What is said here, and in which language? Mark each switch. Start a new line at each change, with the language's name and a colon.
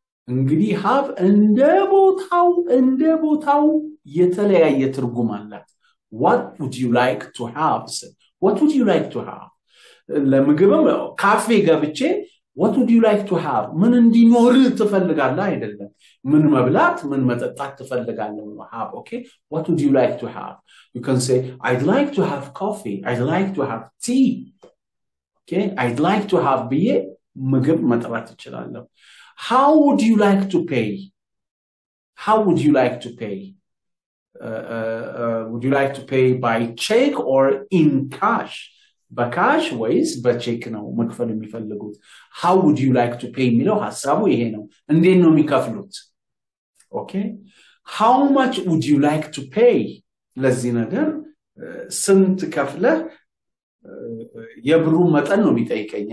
Amharic: እንግዲህ have እንደ ቦታው የተለያየ ትርጉም አላት.
English: What would you like to have? What would you like to have?
Amharic: ለምግብም ካፌ ገብቼ
English: what would you like to have?
Amharic: ምን እንዲኖር ትፈልጋለህ አይደለም? ምን መብላት ምን መጠጣት ትፈልጋለህ ነው.
English: Have, okay? What would you like to have? You can say I'd like to have coffee. I'd like to have tea. Okay? I'd like to have beer.
Amharic: ምግብ መጥራት ይችላል.
English: How would you like to pay? How would you like to pay? Would you like to pay by check or in cash?
Amharic: በካሽ ወይስ በቼክ ነው መክፈል የሚፈልጉት?
English: How would you like to pay?
Amharic: ምለው ሐሳቡ ይሄ ነው. እንዴት ነው የሚከፍሉት?
English: Okay? How much would you like to pay?
Amharic: ለዚህ ነገር ስንት ከፍለህ የብሩ መጠን ነው የሚጠይቀኝ.